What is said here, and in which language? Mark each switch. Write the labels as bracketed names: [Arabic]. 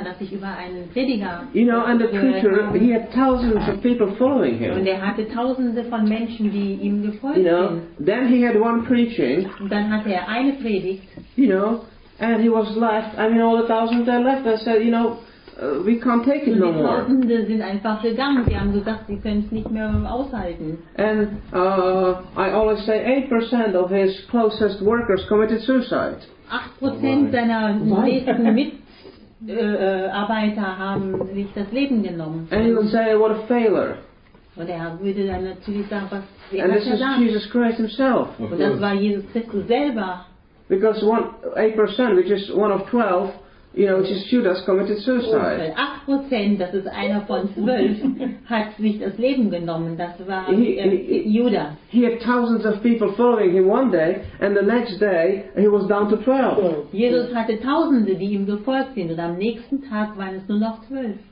[English] You know, and the preacher, he had thousands of people following him. [German] Und hatte tausende von Menschen, die ihm gefolgt sind. [English] You know, then he had one preaching. [German] Dann hatte eine Predigt. [English] You know, and he was left. I mean, all the thousands that left, I said, you know, we can't take it no more. [German] Tausende sind einfach gegangen. Sie haben gesagt, sie können es nicht mehr aushalten. [English] And I always say 8% of his closest workers committed suicide. [German] 8% seiner nächsten Mitarbeiter haben sich das Leben genommen. [English] And you would say, what a failure. [German] Und würde dann natürlich sagen, was er [English] And this is [German] gesagt. [English] Jesus Christ himself. [German] Und das war Jesus Christus selber. [English] Because 8%, which is one of 12, you know, which is Judas, committed suicide. [German] 8%, das ist einer von 12, hat sich das Leben genommen. Das war Judas. [English] He had thousands of people following him one day, and the next day he was down to 12. [German] Jesus hatte Tausende, die ihm gefolgt sind, und am nächsten Tag waren es nur noch 12.